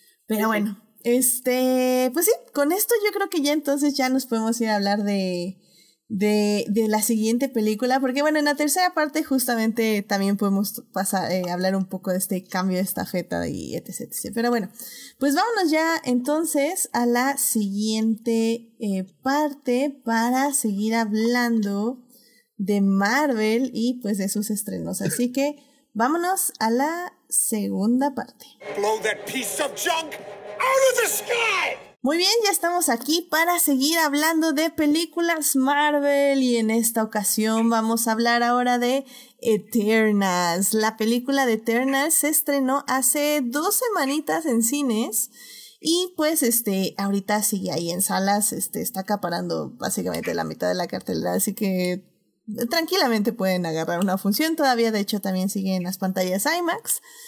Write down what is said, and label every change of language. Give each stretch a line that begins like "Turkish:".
Spanish: Pero bueno, pues sí, con esto yo creo que ya entonces ya nos podemos ir a hablar de la siguiente película, porque bueno, en la tercera parte justamente también podemos pasar hablar un poco de este cambio de estafeta y etc. Pero bueno, pues vámonos ya entonces a la siguiente parte para seguir hablando de Marvel y pues de sus estrenos. Así que vámonos a la segunda parte.
English: Blow that piece of junk out of the sky.
Spanish: Muy bien, ya estamos aquí para seguir hablando de películas Marvel y en esta ocasión vamos a hablar ahora de Eternals. La película de Eternals se estrenó hace 2 semanitas en cines y pues ahorita sigue ahí en salas, está acaparando básicamente la mitad de la cartelera, así que tranquilamente pueden agarrar una función todavía, de hecho también sigue en las pantallas IMAX.